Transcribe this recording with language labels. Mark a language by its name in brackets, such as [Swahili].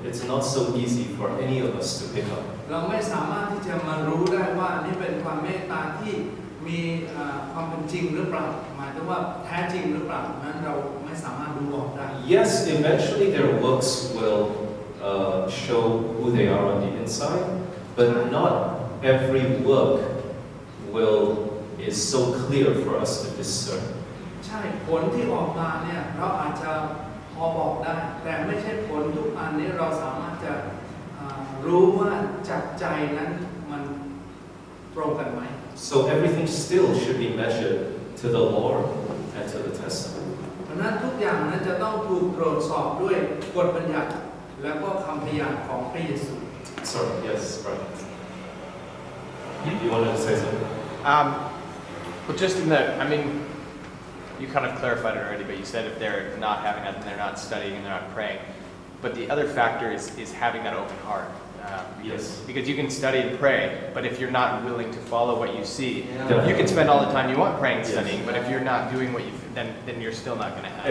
[English] It's not so easy for any of us to pick up. [Thai] เราไม่สามารถที่จะมารู้ได้ว่านี่เป็นความเมตตาที่มีความเป็นจริงหรือเปล่าหมายถึงว่าแท้จริงหรือเปล่านั้นเราไม่สามารถรู้ออกได้ [English] Yes, eventually their works will show who they are on the inside, but not every work will is so clear for us to discern. [Thai] ใช่ผลที่ออกมาเนี่ยเราอาจจะพอบอกได้แต่ไม่ใช่ผลทุกอันนี้เราสามารถจะรู้ว่าจากใจนั้นมันตรงกันไหม [English] So everything still should be measured to the Lord and to the testimony. [Thai] เพราะนั้นทุกอย่างนั้นจะต้องถูกตรวจสอบด้วยกฎบัญญัติและก็คำพยานของพระเยซู [English] Sorry, yes, right. You want to say something? Well, just in that, I mean. You kind of clarified it already, but you said if they're not having that, then they're not studying and they're not praying. But the other factor is having that open heart. Because you can study and pray, but if you're not willing to follow what you see, you can spend all the time you want praying and studying, but if you're not doing what you, then you're still not going to have.